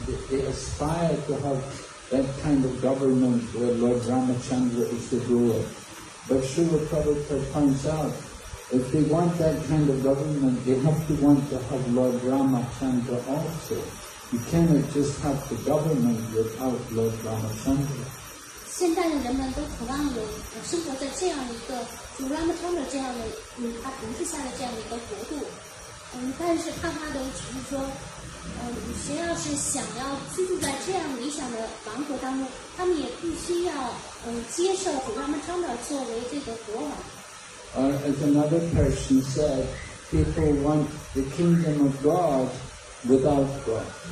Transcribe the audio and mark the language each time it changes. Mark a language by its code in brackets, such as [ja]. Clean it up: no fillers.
[en] They aspire to have that kind of government where Lord Ramachandra is the ruler. But Srila Prabhupada points out, if they want that kind of government, they have to want to have Lord Ramachandra also. You cannot just have the government without Lord Ramachandra. [zh] 现在的人们都渴望有生活在这样一个主拉玛昌德这样的他统治下的这样的一个国度，但是看他的就是说，谁要是想要居住在这样理想的王国当中，他们也必须要接受主拉玛昌德作为这个国王。 [en] Or as another person said, people want the kingdom of God without God.